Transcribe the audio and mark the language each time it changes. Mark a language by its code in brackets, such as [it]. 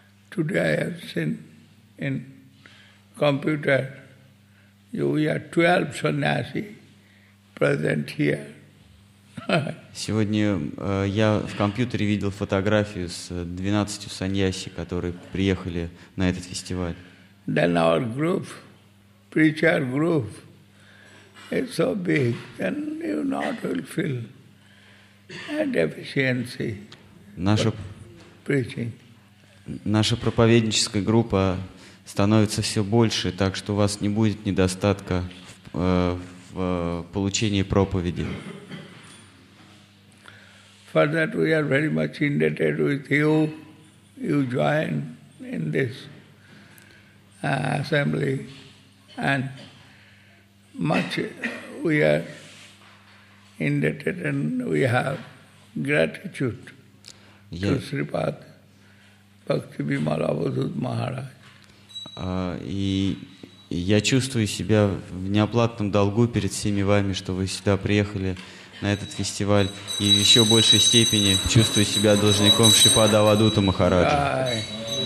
[en] Today I have seen in computer you are 12 sannyasi present here. [ru] Сегодня я в компьютере видел фотографию с 12 саньяси, которые приехали на этот фестиваль. [en] Then our group, preacher group, is so big, then you not will feel a deficiency preaching. [ru] Наша проповедническая группа становится все больше, так что у вас не будет недостатка в получении проповеди. [en] For that we are very much indebted with you. You join in this assembly, and much we are indebted and we have gratitude to Sripad Bhakti Bimala Vadhut Maharaj. [ru] И я чувствую себя в неоплатном долгу перед всеми вами, что вы сюда приехали на этот фестиваль, и в еще большей степени чувствую себя должником Шрипада Авадута Махараджа.